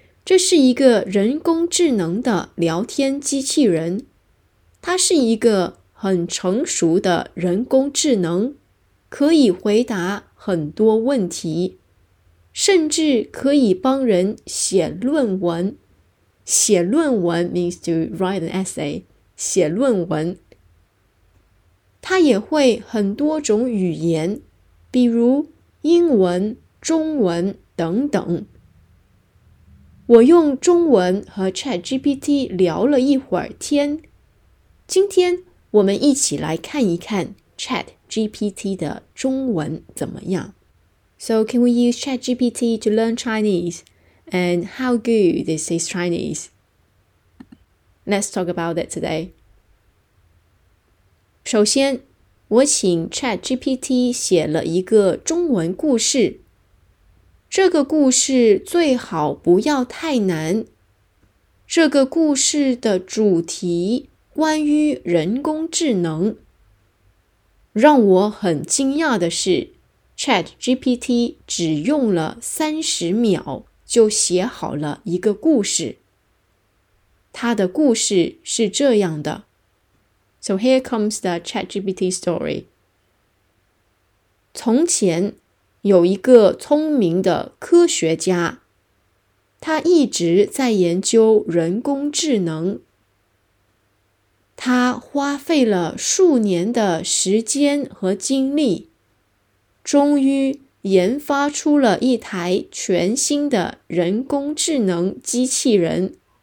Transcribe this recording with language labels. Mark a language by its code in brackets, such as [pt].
[zh] 这是一个人工智能的聊天机器人，它是一个很成熟的人工智能，可以回答很多问题，甚至可以帮人写论文。 [en] 写论文 means to write an essay， 写论文。 [zh] 它也会很多种语言，比如英文、中文等等。我用中文和 ChatGPT 聊了一会儿天，今天我们一起来看一看 ChatGPT 的中文怎么样。 [en] So can we use ChatGPT to learn Chinese? And how good is his Chinese? Let's talk about it today. [zh] 首先，我请 ChatGPT 写了一个中文故事。这个故事最好不要太难。这个故事的主题关于人工智能。让我很惊讶的是， ChatGPT 只用了30秒就写好了一个故事。它的故事是这样的。 [en] So here comes the ChatGPT story. [zh] 从前有一个聪明的科学家，他一直在研究人工智能。他花费了数年的时间和精力，终于研发出了一台全新的人工智能机器人。